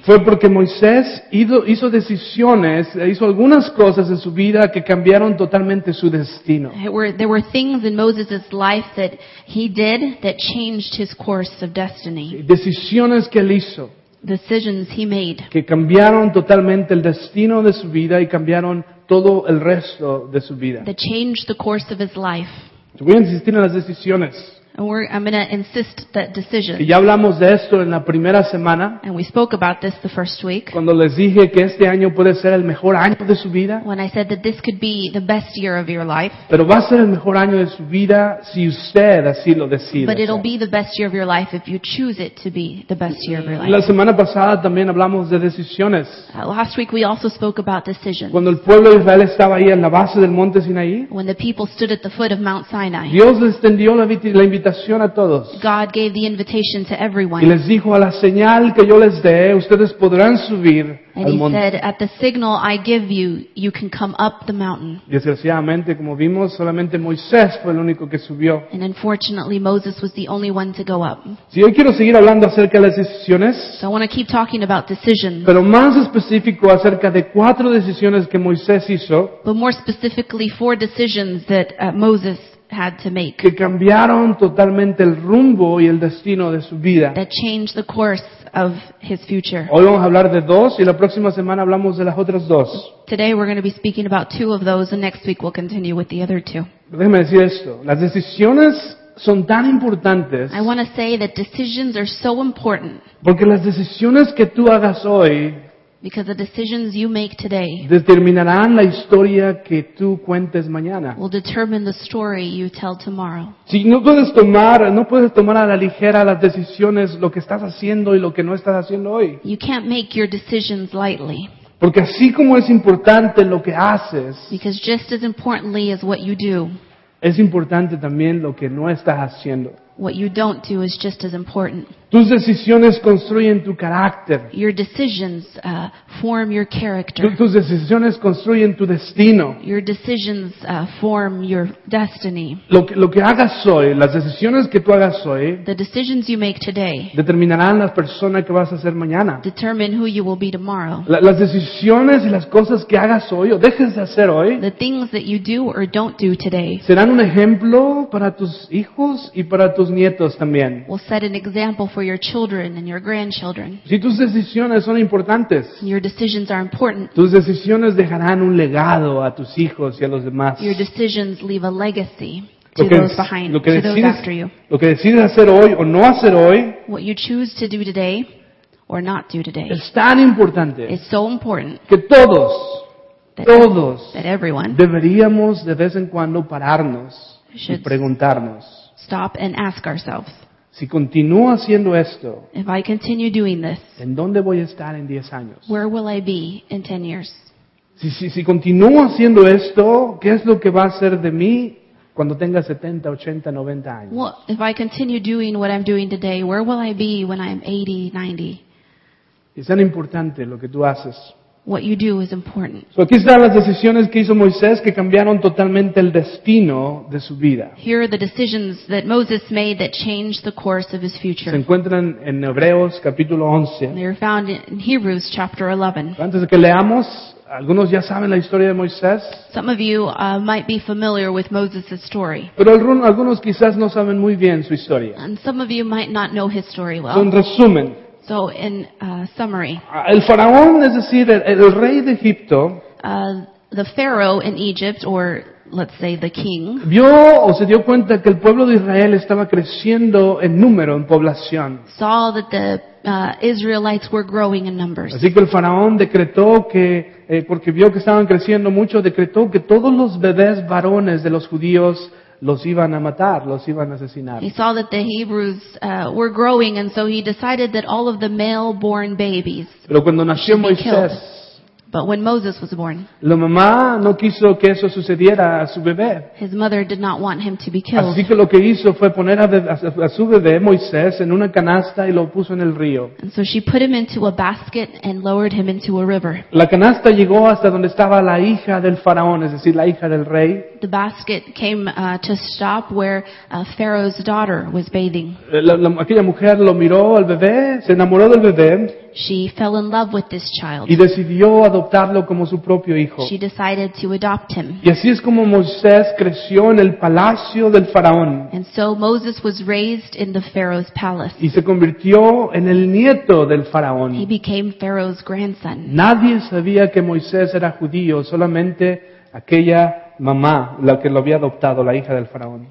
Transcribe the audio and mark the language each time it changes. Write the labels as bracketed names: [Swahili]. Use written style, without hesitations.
[Spanish] fue porque Moisés hizo decisiones, hizo algunas cosas en su vida que cambiaron totalmente su destino. [English] There were things in Moses' life that he did that changed his course of destiny. [Spanish] Decisiones que él hizo. [English] Decisions he made. [Spanish] Que cambiaron totalmente el destino de su vida y cambiaron todo el resto de su vida. [English] That changed the course of his life. [Spanish] Yo voy a insistir en las decisiones. [English] I'm going to insist that decision. [Spanish] Y ya hablamos de esto en la primera semana. [English] And we spoke about this the first week. [Spanish] Cuando les dije que este año puede ser el mejor año de su vida. [English] When I said that this could be the best year of your life. [Spanish] Pero va a ser el mejor año de su vida si usted así lo decide. [English] But it'll be the best year of your life if you choose it to be the best year of your life. [Spanish] La semana pasada también hablamos de decisiones. [English] Last week we also spoke about decisions. [Spanish] Cuando el pueblo de Israel estaba ahí en la base del monte Sinaí. [English] When the people stood at the foot of Mount Sinai. [Spanish] Dios les extendió la invitación. Invitación a todos. [English] God gave the invitation to everyone. [Spanish] Y les dijo a la señal que yo les dé, ustedes podrán subir al monte. [English] And he said, at the signal I give you, you can come up the mountain. [Spanish] Desgraciadamente, como vimos, solamente Moisés fue el único que subió. [English] And unfortunately, Moses was the only one to go up. [Spanish] Sí, hoy quiero seguir hablando acerca de las decisiones. [English] So I want to keep talking about decisions. [Spanish] Pero más específico acerca de 4 decisiones que Moisés hizo. [English] But more specifically, 4 decisions that Moses had to make. [Spanish] Que cambiaron totalmente el rumbo y el destino de su vida. [English] That changed the course of his future. [Spanish] Hoy vamos a hablar de 2 y la próxima semana hablamos de las otras 2. [English] Today we're going to be speaking about 2 of those and next week we'll continue with the other 2. [Spanish] Déjeme decir esto, las decisiones son tan importantes. [English] I want to say that decisions are so important. [Spanish] Porque las decisiones que tú hagas hoy, [English] because the decisions you make today, [Spanish] determinarán la historia que tú cuentes mañana, [English] will determine the story you tell tomorrow. [Spanish] Si no puedes tomar a la ligera las decisiones, lo que estás haciendo y lo que no estás haciendo hoy. [English] You can't make your decisions lightly. [Spanish] Porque así como es importante lo que haces, [English] because just as importantly as what you do, [Spanish] es importante también lo que no estás haciendo. [English] What you don't do is just as important. [Spanish] Tus decisiones construyen tu carácter. [English] Your decisions form your character. [Spanish] Tus decisiones construyen tu destino. [English] Your decisions form your destiny. [Spanish] Lo que hagas hoy, las decisiones que tú hagas hoy, [English] the decisions you make today, [Spanish] determinarán la persona que vas a ser mañana. [English] Determine who you will be tomorrow. [Spanish] Las decisiones y las cosas que hagas hoy o dejes de hacer hoy, [English] the things that you do or don't do today, [Spanish] serán un ejemplo para tus hijos y para tus nietos también. [English] Will set an example for your children and your grandchildren. [Spanish] Si tus decisiones son importantes, [English] your decisions are important. [Spanish] Tus decisiones dejarán un legado a tus hijos y a los demás. [English] Your decisions leave a legacy to those behind, to those after you. [Spanish] Lo que decides hacer hoy o no hacer hoy, [English] what you choose to do today or not do today, [Spanish] es tan importante, [English] is so important, [Spanish] que todos, [English] that, [Spanish] todos, [English] that everyone, [Spanish] deberíamos de vez en cuando pararnos y preguntarnos, [English] stop and ask ourselves, [Spanish] si continúo haciendo esto, [English] if I continue doing this, [Spanish] ¿en dónde voy a estar en 10 años? [English] Where will I be in 10 years? [Spanish] Si continúo haciendo esto, ¿qué es lo que va a ser de mí cuando tenga 70, 80, 90 años? [English] Well, if I continue doing what I'm doing today, where will I be when I'm 80, 90? [Spanish] Es tan importante lo que tú haces. [English] What you do is important. [Spanish] So aquí están las decisiones que hizo Moisés que cambiaron totalmente el destino de su vida. [English] Here are the decisions that Moses made that changed the course of his future. [Spanish] Se encuentran en Hebreos capítulo 11. [English] They are found in Hebrews chapter 11. [Spanish] Antes de que leamos, algunos ya saben la historia de Moisés. [English] Some of you might be familiar with Moses' story. [Spanish] Pero algunos quizás no saben muy bien su historia. [English] And some of you might not know his story well. [Spanish] En resumen. [English] So in summary. [Spanish] El faraón, es decir, el rey de Egipto. [English] The pharaoh in Egypt, or let's say the king. [Spanish] Vio o se dio cuenta que el pueblo de Israel estaba creciendo en número, en población. [English] Saw that the Israelites were growing in numbers. [Spanish] Así que el faraón decretó que, porque vio que estaban creciendo mucho, decretó que todos los bebés varones de los judíos los iban a matar, los iban a asesinar. [English] He saw that the Hebrews were growing, and so he decided that all of the male-born babies should be killed. [Spanish] Pero cuando nació Moisés, [English] but when Moses was born, [Spanish] la mamá no quiso que eso sucediera a su bebé. [English] His mother did not want him to be killed. [Spanish] Así que lo que hizo fue poner a su bebé, Moisés, en una canasta y lo puso en el río. [English] And so she put him into a basket and lowered him into a river. [Spanish] La canasta llegó hasta donde estaba la hija del faraón, es decir, la hija del rey. [English] The basket came to stop where Pharaoh's daughter was bathing. [Spanish] Aquella mujer lo miró al bebé, se enamoró del bebé. [English] She fell in love with this child. [Spanish] Y decidió adoptarlo como su propio hijo. [English] She decided to adopt him. [Spanish] Y así es como Moisés creció en el palacio del faraón. [English] And so Moses was raised in the Pharaoh's palace. [Spanish] Y se convirtió en el nieto del faraón. [English] He became Pharaoh's grandson. [Spanish] Nadie sabía que Moisés era judío, solamente aquella mamá, la que lo había adoptado, la hija del faraón.